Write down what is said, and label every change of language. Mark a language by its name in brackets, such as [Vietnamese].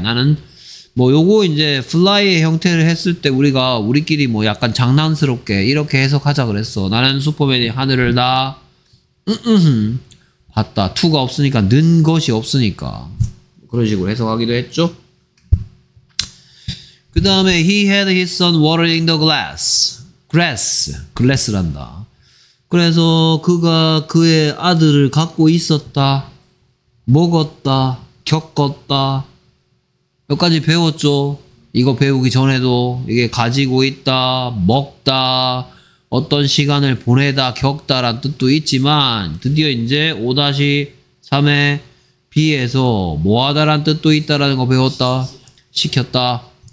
[Korean] 나는 뭐 요거 이제 fly의 형태를 했을 때 우리가 우리끼리 뭐 약간 장난스럽게 이렇게 해석하자 그랬어. 나는 슈퍼맨이 하늘을 다 봤다. 2가 없으니까 는 것이 없으니까 그런 식으로 해석하기도 했죠. 그 다음에 [English] he had his son watering the glass. grass. grass란다. [Korean] 그래서 그가 그의 아들을 갖고 있었다. 먹었다. 겪었다. 여기까지 배웠죠. 이거 배우기 전에도 이게 가지고 있다, 먹다, 어떤 시간을 보내다, 겪다란 뜻도 있지만 드디어 이제 5-3의 B에서 뭐하다란 뜻도 있다라는 거 배웠다. 시켰다.